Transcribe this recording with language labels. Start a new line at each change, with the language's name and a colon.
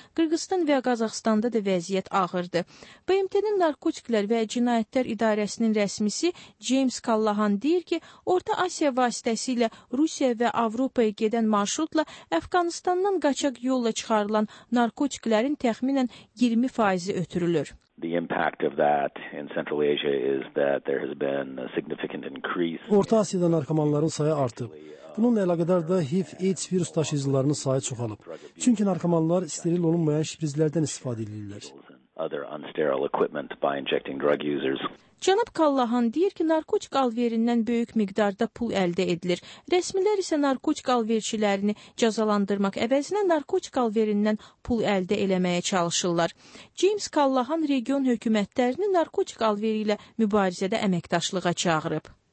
Azerbaijani: Qırğızistan və Qazaxıstanda da vəziyyət ağırdır. BMT-nin Narkotiklər və Cinayətlər İdarəsinin rəsmisi James Callahan deyir ki, Orta Asiya vasitəsilə Rusiya və Avropaya gedən marşrutla Əfqanistandan qaçaq yolla çıxarılan narkotiklərin təxminən 20% ötürülür.
English: The impact of that in Central Asia is that there has been a significant increase.
Azerbaijani: Orta Asiyada narkomanların sayı artıb. Bununla əlaqədar da HIV-AIDS virus daşıyıcılarının sayı çoxalıb. Çünki narkomanlar steril olunmayan şprizlərdən istifadə edirlər.
English: Other unsterile equipment by injecting drug users.
Azerbaijani: Cənab Callahan deyir ki, narkotik alverindən böyük miqdarda pul əldə edilir. Rəsmilər isə narkotik alverçilərini cəzalandırmaq əvəzinə narkotik alverindən pul əldə eləməyə çalışırlar. James Callahan region hökumətlərini narkotik alveri ilə mübarizədə əməkdaşlığa çağırıb.